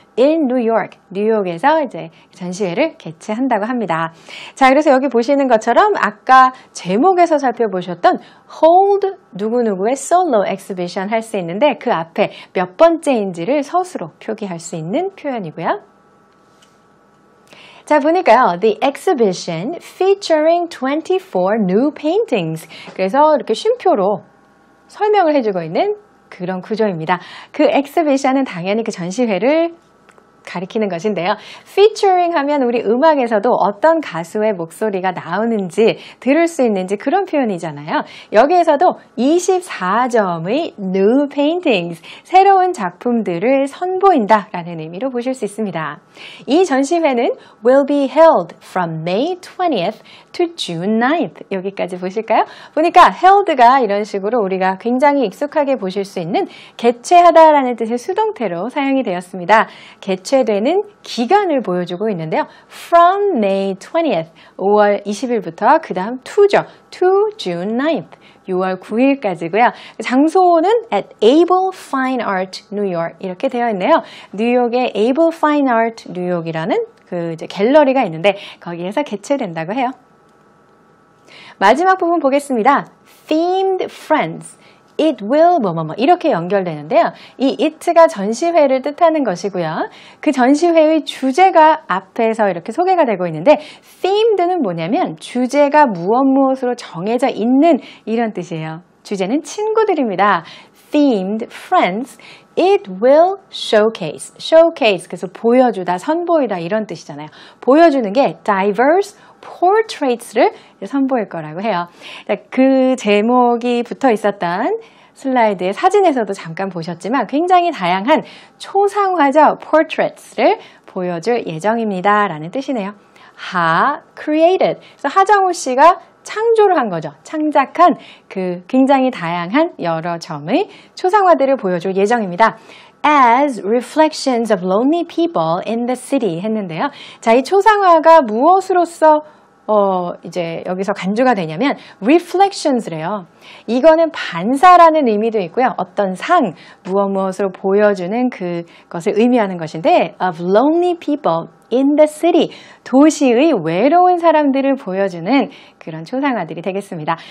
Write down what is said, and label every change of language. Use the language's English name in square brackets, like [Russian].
[English] In New York, [Korean] 뉴욕에서 이제 전시회를 개최한다고 합니다. 자, 그래서 여기 보시는 것처럼 아까 제목에서 살펴보셨던 hold 누구누구의 solo exhibition 할 수 있는데 그 앞에 몇 번째인지를 서술로 표기할 수 있는 표현이고요. 자, 보니까요. [English] The exhibition featuring 24 new paintings. [Korean] 그래서 이렇게 쉼표로 설명을 해주고 있는 그런 구조입니다. 그 exhibition은 당연히 그 전시회를 가리키는 것인데요. Featuring 하면 우리 음악에서도 어떤 가수의 목소리가 나오는지 들을 수 있는지 그런 표현이잖아요. 여기에서도 24점의 new paintings, 새로운 작품들을 선보인다라는 의미로 보실 수 있습니다. 이 전시회는 [English] will be held from May 20th to June 9th. [Korean] 여기까지 보실까요? 보니까 held가 이런 식으로 우리가 굉장히 익숙하게 보실 수 있는 개최하다라는 뜻의 수동태로 사용이 되었습니다. 개최 되는 기간을 보여주고 있는데요. [English] From May 20th, [Korean] 5월 20일부터 그 다음 2죠. [English] To June 9th, [Korean] 6월 9일까지고요. 장소는 at Able Fine Art New York 이렇게 되어 있네요. 뉴욕의 Able Fine Art New York이라는 그 이제 갤러리가 있는데 거기에서 개최된다고 해요. 마지막 부분 보겠습니다. [English] Themed Friends. [Korean] It will 뭐뭐뭐 이렇게 연결되는데요. 이 it가 전시회를 뜻하는 것이고요. 그 전시회의 주제가 앞에서 이렇게 소개가 되고 있는데 themed는 뭐냐면 주제가 무엇무엇으로 정해져 있는 이런 뜻이에요. 주제는 친구들입니다. [English] Themed friends. It will showcase. [Korean] Showcase, 그래서 보여주다, 선보이다 이런 뜻이잖아요. 보여주는 게 diverse portraits를 선보일 거라고 해요. 그 제목이 붙어 있었던 슬라이드의 사진에서도 잠깐 보셨지만 굉장히 다양한 초상화죠. portraits를 보여줄 예정입니다. 라는 뜻이네요. [English] Ha created. [Korean] 그래서 하정우 씨가 창조를 한 거죠. 창작한 그 굉장히 다양한 여러 점의 초상화들을 보여줄 예정입니다. [English] As reflections of lonely people in the city 했는데요. [Korean] 자, 이 초상화가 무엇으로서 이제 여기서 간주가 되냐면 reflections래요. 이거는 반사라는 의미도 있고요. 어떤 상, 무엇무엇으로 보여주는 그것을 의미하는 것인데 [English] of lonely people in the city, [Korean] 도시의 외로운 사람들을 보여주는 그런 초상화들이 되겠습니다.